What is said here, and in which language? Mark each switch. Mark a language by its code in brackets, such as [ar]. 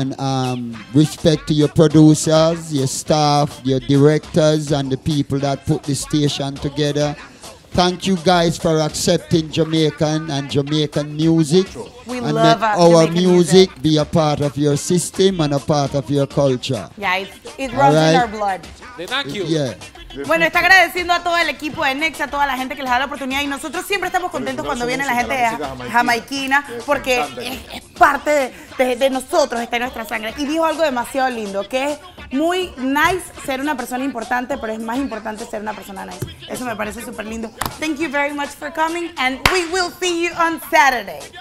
[en] And respect to your producers, your staff, your directors, and the people that put the station together. Thank you guys for accepting Jamaican and Jamaican music. We and love let our Jamaican music be a part of your system and a part of your culture. Yeah, it runs right? in our blood. Thank you. Yeah. [es] Bueno, está agradeciendo a todo el equipo de Next, a toda la gente que les da la oportunidad y nosotros siempre estamos contentos cuando viene la gente de jamaiquina porque es parte de nosotros, está en nuestra sangre. Y dijo algo demasiado lindo, que es muy nice ser una persona importante, pero es más importante ser una persona nice. Eso me parece súper lindo. [en] Thank you very much for coming and we will see you on Saturday.